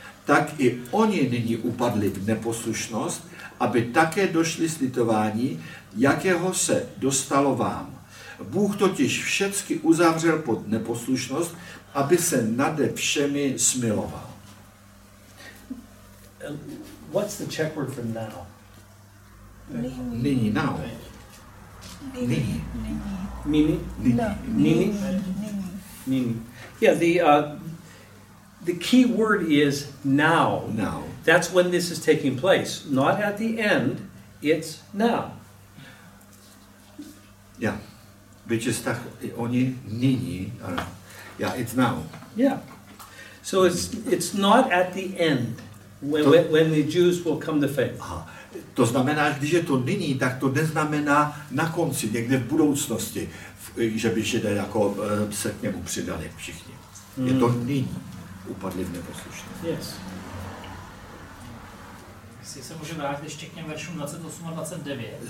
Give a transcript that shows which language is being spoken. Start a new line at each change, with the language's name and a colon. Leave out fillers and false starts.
Czech: Tak i oni nyní upadli v neposlušnost, aby také došli slitování, jakého se dostalo vám. Bůh totiž všecky uzavřel pod neposlušnost, aby se nade všemi smiloval.
English: What's the Czech word for now?
Czech: Nini. Nini, now. Nini. Nini. Nini. Nini. Nini.
English: Nini. Nini. Yeah, the key word is now. Now. That's when this is taking place. Not at the end, it's now. Yeah. Which is
Czech: tak oni nini.
English: Yeah, it's now. Yeah. So it's not at the end when the Jews will come to faith. Aha.
Czech: To znamená, když je to nyní, tak to neznamená na konci, někde v budoucnosti, že by Židé jako se k němu přidali všichni. Mm. Je to nyní, upadli v neposlušnosti.
English: Yes.
Czech: Jestli se můžeme vrátit ještě k těm veršům 28 a 29.